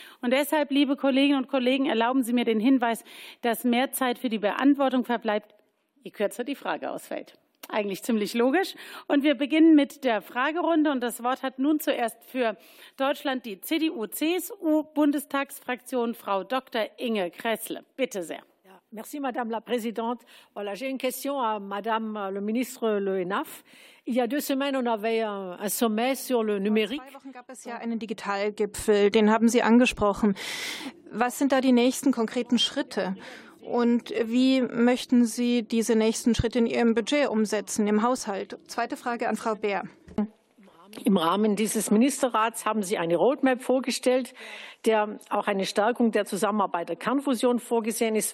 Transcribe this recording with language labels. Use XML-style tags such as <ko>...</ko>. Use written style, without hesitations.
<de>Und deshalb, liebe Kolleginnen und Kollegen, erlauben Sie mir den Hinweis, dass mehr Zeit für die Beantwortung verbleibt, je kürzer die Frage ausfällt. Eigentlich ziemlich logisch. Und wir beginnen mit der Fragerunde. Und das Wort hat nun zuerst für Deutschland die CDU-CSU-Bundestagsfraktion Frau Dr. Inge Kressle. Bitte sehr. Ja,</de> <fr>Merci, Madame la Présidente. Voilà, j'ai une question à Madame le ministre Le Hénaff. Il y a deux semaines, on avait un sommet sur le numérique.</fr> <de>Vor zwei Wochen gab es ja einen Digitalgipfel, den haben Sie angesprochen. Was sind da die nächsten konkreten Schritte? Und wie möchten Sie diese nächsten Schritte in Ihrem Budget umsetzen, im Haushalt? Zweite Frage an Frau Bär. Im Rahmen dieses Ministerrats haben Sie eine Roadmap vorgestellt, der auch eine Stärkung der Zusammenarbeit der Kernfusion vorgesehen ist.</de>